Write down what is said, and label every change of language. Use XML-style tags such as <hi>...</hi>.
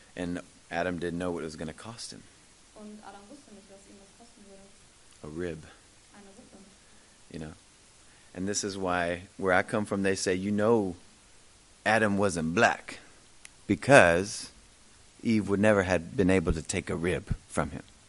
<en>And Adam didn't know what it was going to cost him.</en> <de>Und Adam wusste nicht, was ihm das kosten würde.</de> <en>A rib.</en> <de>Eine Rippe.</de> <en>You know. And this is why, where I come from, they say, Adam wasn't black. Because Eve would never have been able to take a rib from him.</en>